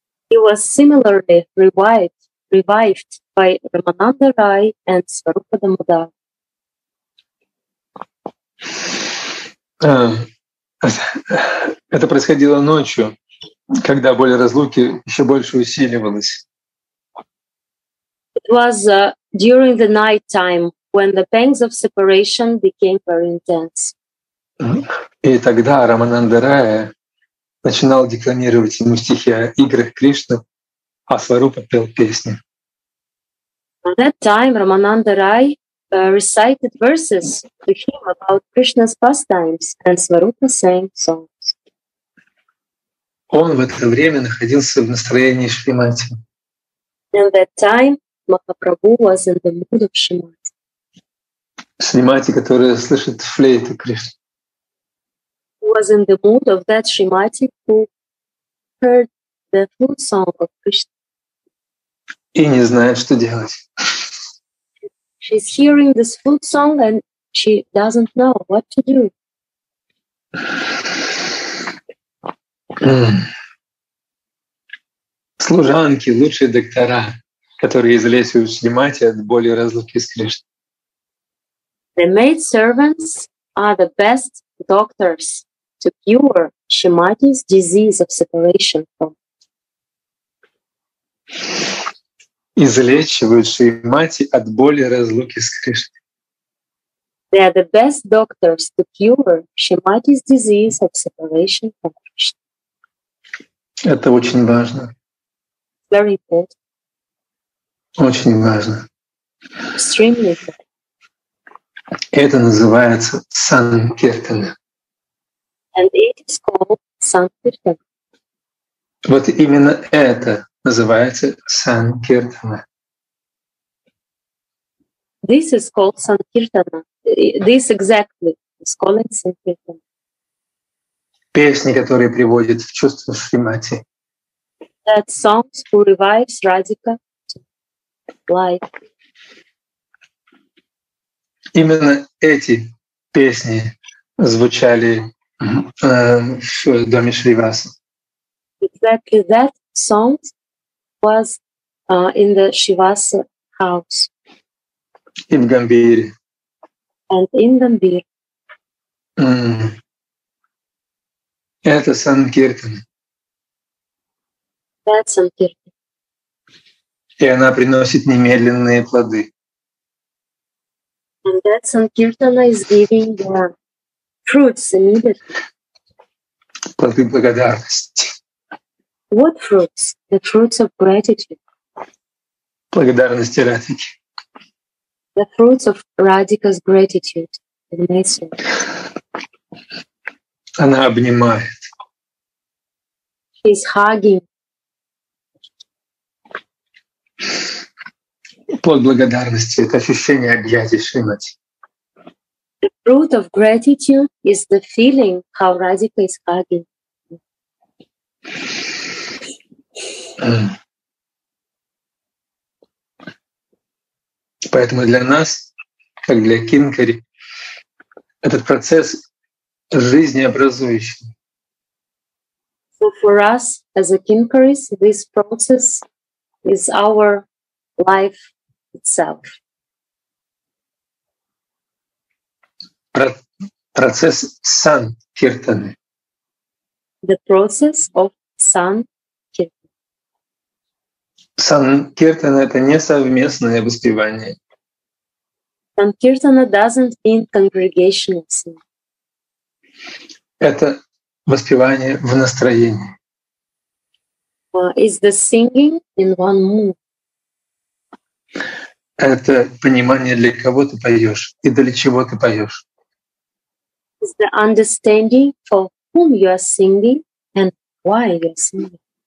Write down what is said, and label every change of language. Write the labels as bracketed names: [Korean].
[English] He was similarly revived by Рамананда Рая and Сварупа Дамодара. [Russian] Это происходило ночью, когда боль разлуки еще больше усиливалась. [English] It was during the night time when the pangs of separation became very intense. [Russian] И тогда Рамананда Рая начинал декламировать ему стихи о играх Кришны, а Сварупа пел песни. [English] At that time Рамананда Рая recited verses to him about Krishna's pastimes, and Svarupa sang songs. [Russian] Он в это время находился в настроении Шримати. [English] In that time, Mahaprabhu was in the mood of Shrimati. [Russian] Шримати, которая слышит флейту Кришны. [English] He was in the mood of that Shrimati who heard the flute song of Krishna. [Russian] И не знает, что делать. [English] She's hearing this flute song and she doesn't know what to do. [Russian] Служанки, лучшие доктора, которые излечивают Шримати от боли разлуки с Кришной. [English] The maid servants are the best doctors to cure Shrimati's disease of separation from. [Russian] Излечивают Шримати от боли разлуки с Кришной. [English] They are the best doctors to cure Shrimati's disease of separation from Krishna. [Russian] Это очень важно. [English] Very important. [Russian] Очень важно. [English] Extremely important. [Russian] Это называется санкиртана. [English] And it is called санкиртана. [Russian] Вот именно это называется санкиртана. [English] This is called санкиртана. This exactly is called санкиртана. [Russian] Песни, которые приводят в чувство Шримати. [English] That songs who revives Radhika to life. [Russian] Именно эти песни звучали в доме Шриваса. [English] Exactly that songs was in the Shivas house. In Gambir. And in Gambir. [Russian] Это Санкиртан. [English] That's Sankirtan. [Russian] И она приносит немедленные плоды. [English] And that Sankirtana is giving the fruits immediately. [Russian] Плоды благодарности. [English] What fruits? The fruits of gratitude. [Russian] Благодарности Радхики. [English] The fruits of Radhika's gratitude. [Russian] Она обнимает. [English] She's hugging. [Russian] Плод благодарности — это ощущение объятий Шримати. [English] The fruit of gratitude is the feeling how Radhika is hugging. [Russian] Поэтому для нас, как для Кинкари, этот процесс жизнеобразующий. [English] So for us, as a Kinkaris, this process is our life itself. [Russian] Процесс Санкиртаны. [English] The process of Санкиртана. [Russian] Санкиртана — это не совместное воспевание. [English] Санкиртана doesn't mean congregational singing. [Russian] Это воспевание в настроении. [English] Is the singing in one mood. [Russian] Это понимание, для кого ты поешь и для чего ты поешь. [English] Is the understanding for whom you are singing and why you are singing.